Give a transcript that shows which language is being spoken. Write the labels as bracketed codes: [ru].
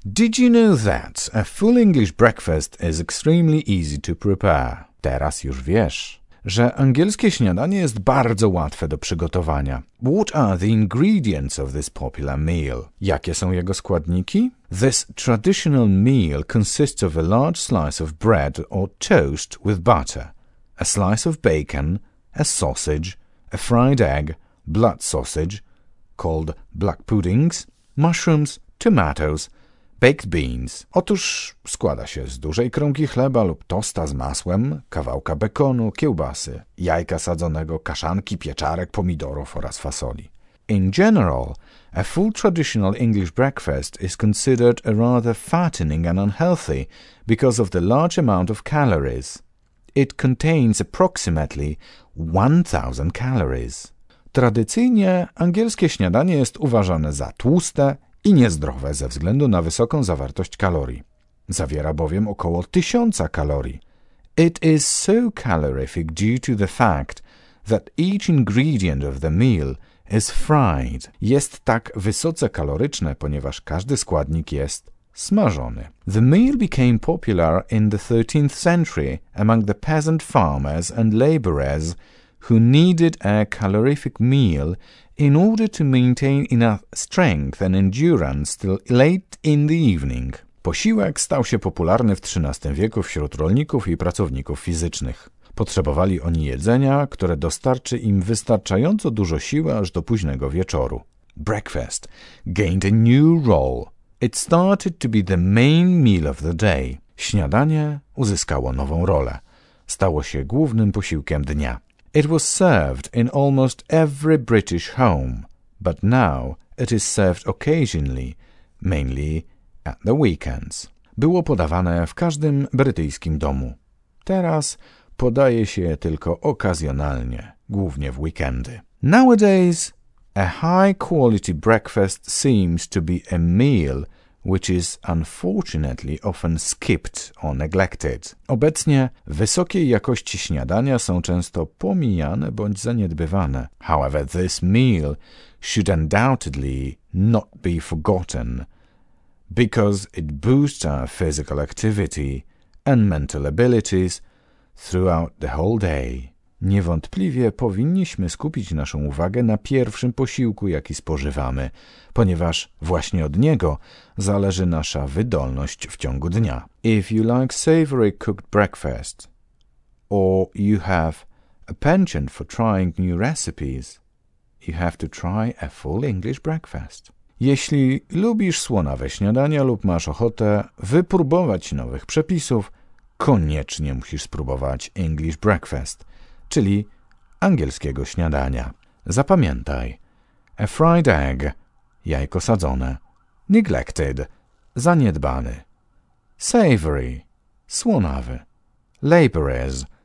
[en] Did you know that a full English breakfast is extremely easy to prepare? [pl] Teraz już wiesz, że angielskie śniadanie jest bardzo łatwe do przygotowania. [en] What are the ingredients of this popular meal? [pl] Jakie są jego składniki? [en] This traditional meal consists of a large slice of bread or toast with butter, a slice of bacon, a sausage, a fried egg, blood sausage, called black puddings, mushrooms, tomatoes, baked beans. [pl] Otóż składa się z dużej kromki chleba lub tosta z masłem, kawałka bekonu, kiełbasy, jajka sadzonego, kaszanki, pieczarek, pomidorów oraz fasoli. [en] In general, a full traditional English breakfast is considered a rather fattening and unhealthy because of the large amount of calories. It contains approximately 1000 calories. [pl] Tradycyjnie angielskie śniadanie jest uważane za tłuste i niezdrowe ze względu na wysoką zawartość kalorii. Zawiera bowiem około 1000 kalorii. [en] It is so calorific due to the fact that each ingredient of the meal is fried. [pl] Jest tak wysoce kaloryczne, ponieważ każdy składnik jest smażony. [en] The meal became popular in the 13th century among the peasant farmers and laborers who needed a calorific meal in order to maintain enough strength and endurance till late in the evening. [pl] Posiłek stał się popularny w XIII wieku wśród rolników i pracowników fizycznych. Potrzebowali oni jedzenia, które dostarczy im wystarczająco dużo siły aż do późnego wieczoru. [en] Breakfast gained a new role. It started to be the main meal of the day. [pl] Śniadanie uzyskało nową rolę. Stało się głównym posiłkiem dnia. [en] It was served in almost every British home, but now it is served occasionally, mainly at the weekends. [pl] Było podawane w każdym brytyjskim domu. Teraz podaje się tylko okazjonalnie, głównie w weekendy. [en] Nowadays, a high-quality breakfast seems to be a meal which is unfortunately often skipped or neglected. [pl] Obecnie wysokiej jakości śniadania są często pomijane bądź zaniedbywane. [en] However, this meal should undoubtedly not be forgotten because it boosts our physical activity and mental abilities throughout the whole day. [pl] Niewątpliwie powinniśmy skupić naszą uwagę na pierwszym posiłku, jaki spożywamy, ponieważ właśnie od niego zależy nasza wydolność w ciągu dnia. [en] If you like savory cooked breakfast, or you have a penchant for trying new recipes, you have to try a full English breakfast. [pl] Jeśli lubisz słonawe śniadania lub masz ochotę wypróbować nowych przepisów, koniecznie musisz spróbować English breakfast, czyli angielskiego śniadania. Zapamiętaj. [en] A fried egg. [pl] Jajko sadzone. [en] Neglected. [pl] Zaniedbany. [en] Savory. [pl] Słonawy. [en] Laborers.